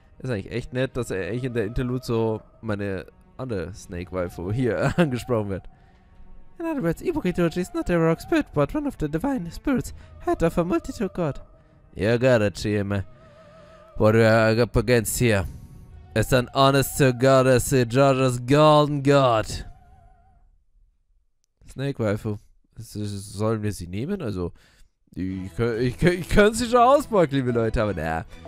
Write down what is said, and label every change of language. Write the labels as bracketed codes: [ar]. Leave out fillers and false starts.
[de] Ist eigentlich echt nett, dass er eigentlich in der Interlude so meine andere Snake Waifu hier angesprochen wird. [en] In other words, Ibuki Doji is not a rock spirit, but one of the divine spirits, head of a multitude god. You got it, Chime. What we are up against here is an honest to goddess, the Georgia's golden god. [de] Snake Waifu. Sollen wir sie nehmen? Also, ich kann sie schon auspacken, liebe Leute, aber naja.